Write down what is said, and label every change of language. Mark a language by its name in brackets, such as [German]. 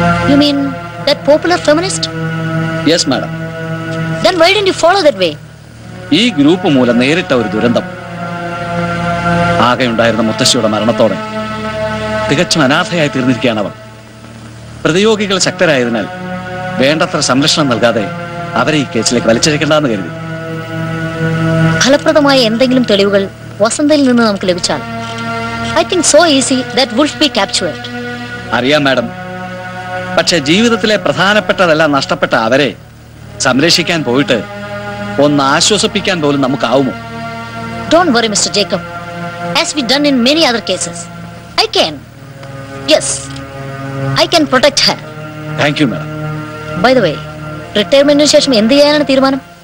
[English] You mean that popular feminist? Yes, madam. Then why didn't you follow that way? [Malayalam] ഈ group മൂലം നേരിട്ട ഒരു ദുരന്തം. ആകെയുണ്ടായിരുന്ന മുത്തശ്ശിയുടെ മരണത്തോടെ തികച്ചും അനാഥയായി തീർന്നിരിക്കുകയാണ് അവർ. പ്രതിയോഗികൾ ശക്തരായതിനാൽ വേണ്ടത്ര സംരക്ഷണം നൽകാതെ അവരെ ഈ കേസിലേക്ക് വലിച്ചെഴുക്കണ്ടെന്ന് കരുതി. ഫലപ്രദമായ എന്തെങ്കിലും തെളിവുകൾ വസന്തയിൽ നിന്ന് നമുക്ക് ലഭിച്ചാൽ [English] I think so easy that wolf be captured. [Malayalam] അറിയാം മാഡം, പക്ഷേ ജീവിതത്തിലെ പ്രധാനപ്പെട്ടതെല്ലാം നഷ്ടപ്പെട്ട അവരെ സംരക്ഷിക്കാൻ പോയിട്ട് ഒന്ന് ആശ്വസിപ്പിക്കാൻ പോലും നമുക്കാവുമോ? [English] Don't worry, Mr. Jacob. As we done in many other cases, I can. Yes, I can protect her. Thank you, madam. By the way, [Malayalam] retirement ന് ശേഷം എന്ത് ചെയ്യാനാണ് തീരുമാനം?